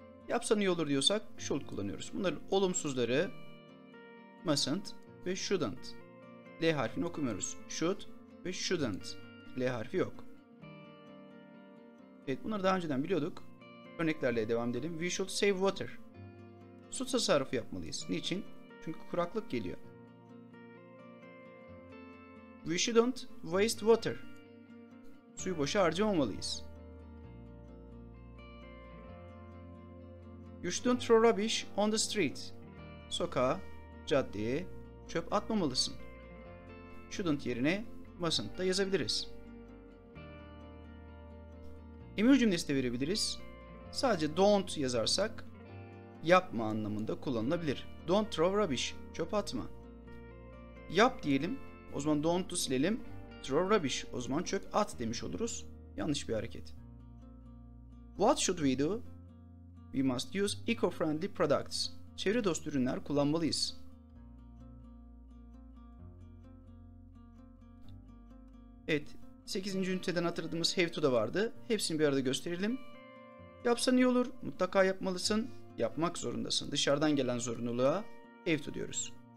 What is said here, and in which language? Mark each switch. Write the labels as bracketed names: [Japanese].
[Turkish] Yapsan iyi olur diyorsak should kullanıyoruz. Bunların olumsuzları mustn't ve shouldn't. L harfini okumuyoruz. Should ve shouldn't. L harfi yok. Evet, bunları daha önceden biliyorduk. Örneklerle devam edelim. [English] We should save water. [Turkish] Su tasarrufu yapmalıyız. Niçin? Çünkü kuraklık geliyor. [English] We shouldn't waste water. [Turkish] Suyu boşa harcamamalıyız. [English] You shouldn't throw rubbish on the street. [Turkish] Sokağa, caddeye çöp atmamalısın. Shouldn't yerine mustn't da yazabiliriz. Emir cümlesi de verebiliriz. Sadece don't yazarsak yapma anlamında kullanılabilir. [English] Don't throw rubbish, [Turkish] çöp atma. Yap diyelim, o zaman don't'u silelim. [English] Throw rubbish, [Turkish] o zaman çöp at demiş oluruz. Yanlış bir hareket. [English] What should we do? We must use eco-friendly products. [Turkish] Çevre dostu ürünler kullanmalıyız. Evet, 8. üniteden hatırladığımız have to da vardı. Hepsini bir arada gösterelim. Yapsan iyi olur, mutlaka yapmalısın. Yapmak zorundasın. Dışarıdan gelen zorunluluğa have to diyoruz.